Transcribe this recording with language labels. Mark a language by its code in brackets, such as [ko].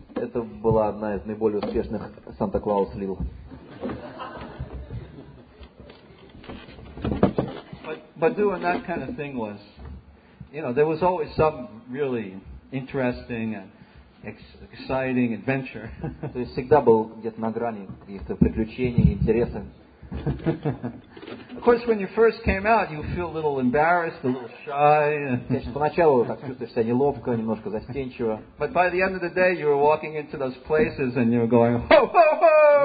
[ru] Это была одна из наиболее успешных Santa Claus Lil. [en] But doing that kind of thing was, you know, there was always some really interesting and exciting adventure. [ru] То есть всегда был где-то на грани каких-то приключений, интересов. [en] Of course, when you first came out, you feel a little embarrassed, a little shy. [ru] Конечно, поначалу так чувствуешь себя неловко, немножко застенчиво. [en] But by the end of the day, you were walking into those places and you were going, ho, ho, ho!